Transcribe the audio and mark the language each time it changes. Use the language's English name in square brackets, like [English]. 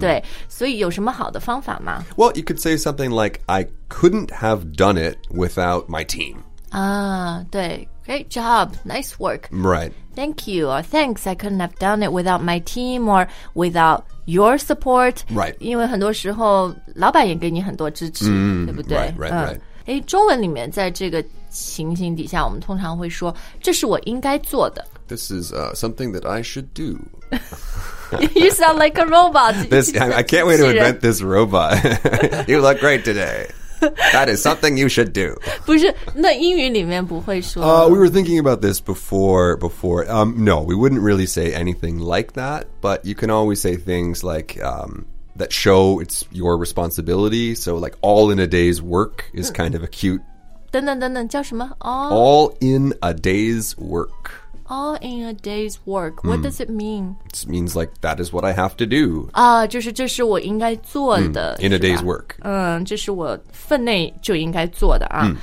[Chinese] 对，所以有什么好的方法吗？ [English] Well, you could say something like, I couldn't have done it without my team. 对。Great job. Nice work. Right. Thank you. Or thanks. I couldn't have done it without my team or without your support. Right. [Chinese] 因为很多时候老板也给你很多支持、对不对 [English] right. [Chinese] 哎，中文里面在这个情形底下，我们通常会说，这是我应该做的。 [English] This is something that I should do. You sound like a robot. I can't wait to invent this robot. You look great today. That is something you should do. [Chinese] 不是，那英语里面不会说。 [English] We were thinking about this before. No, we wouldn't really say anything like that. But you can always say things like, that show it's your responsibility. So like all in a day's work is kind of a cute. [Chinese] 等等，叫什么？哦。 [English] All in a day's work. All in a day's work. What does it mean? It means like, that is what I have to do. [Chinese] 就是这是我应该做的。 [English] In a day's work. [Chinese] 这是我分内就应该做的啊。